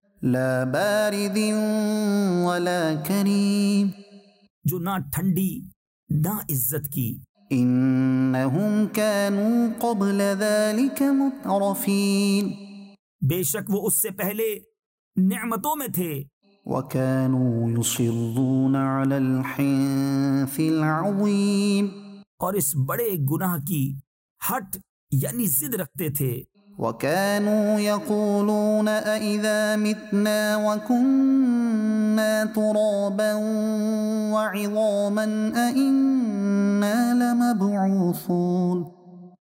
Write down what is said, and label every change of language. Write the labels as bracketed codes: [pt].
[ar] لا بارد ولا کریم [ur] جو نہ ٹھنڈی نہ عزت کی [ar] انہم کانوا قبل ذلك مترفین [ur] بے شک وہ اس سے پہلے نعمتوں میں تھے [ar] وكانوا يصرون على الحنث العظيم [ur] اور اس بڑے گناہ کی ہٹ یعنی ضد رکھتے تھے [ar] وَكَانُوا يَقُولُونَ أَإِذَا مِتْنَا وَكُنَّا تُرَابًا وَعِظَامًا أَإِنَّا لَمَبْعُوثُونَ